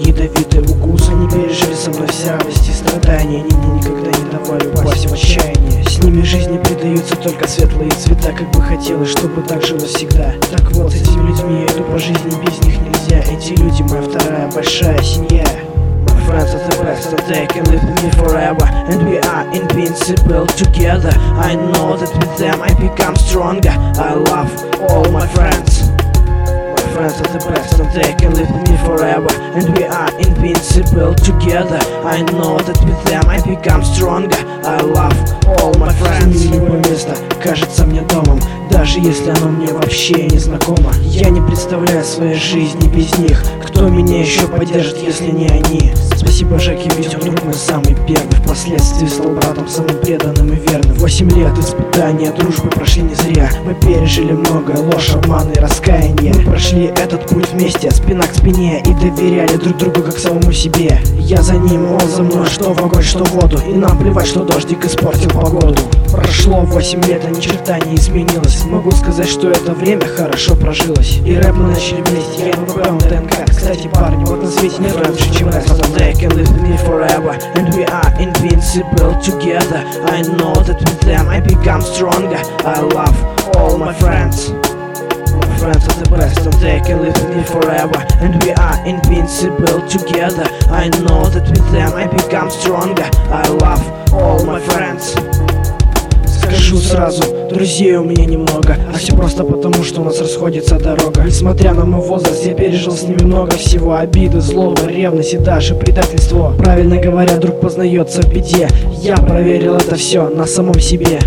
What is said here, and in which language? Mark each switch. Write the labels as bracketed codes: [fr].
[ru] Ядовитый укус. Они пережили со мной все радости и страдания. Они мне никогда не давали упасть в отчаяние. С ними жизни придаются только светлые цвета. Как бы хотелось, чтобы так жило всегда. Так вот, с этими людьми я иду по жизни, без них нельзя. Эти люди моя вторая большая семья. [en] Friends are the best that they can live with me forever. And we are invincible together. I know that with them I become stronger. I love all my friends. My friends are the best that they can live with me forever. And we are invincible together. I know that with them I become stronger. I love all my friends. [ru] С ними любое место кажется мне домом, даже если оно мне вообще не знакомо. Я не представляю своей жизни без них. Кто меня еще поддержит, если не они? Спасибо Жеке, ведь он друг мой самый первый. Впоследствии стал братом самым преданным и верным. 8 лет испытания дружбы прошли не зря. Мы пережили многое, ложь, обман и раскаяние. Мы прошли этот путь вместе, спина к спине. И доверяли друг другу, как самому себе. Я за ним, он за мной, что в огонь, что в воду. И нам плевать, что дождик испортил погоду. Прошло 8 лет, а ни черта не изменилось. Могу сказать, что это время хорошо прожилось. И рэп мы начали вместе, я на ВП, он ДНК. Кстати, парни, вот на свете нет раньше, чем рэп. [en] They can live with me forever. And we are invincible together. I know that with them I become stronger. I love all my friends. My friends are the best. And they can live with me forever. And we are invincible together. I know that with them I become stronger. I love all my friends. [ru] Скажу сразу, друзей у меня немного. А все просто потому, что у нас расходится дорога. Несмотря на мой возраст, я пережил с ними много всего. Обиды, злоба, ревность и даже предательство. Правильно говоря, друг познается в беде. Я проверил это все на самом себе.